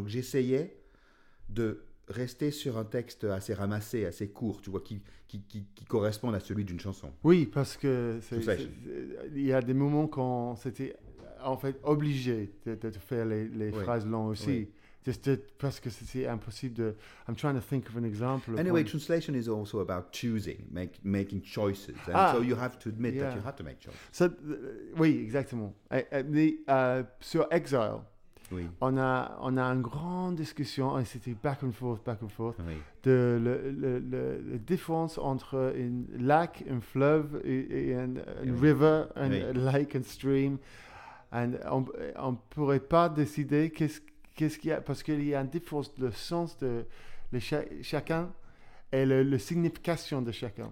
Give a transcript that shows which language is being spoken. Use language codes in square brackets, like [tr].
[fr] Donc, j'essayais de rester sur un texte assez ramassé, assez court, tu vois, qui corresponde à celui d'une chanson. Oui, parce que il y a des moments quand c'était en fait obligé de faire les phrases longues aussi. Oui. Parce que c'est impossible de... [en] I'm trying to think of an example. Anyway, translation is also about choosing, making choices. And so you have to admit that you have to make choices. So, [fr] oui, exactement. Sur Exile, oui. on a une grande discussion, et c'était [en] back and forth, [fr] de la différence entre un lac, un fleuve, et river, un lake, un stream. And on ne pourrait pas décider qu'est-ce qu'il y a, parce qu'il y a une différence de sens de chacun et la signification de chacun.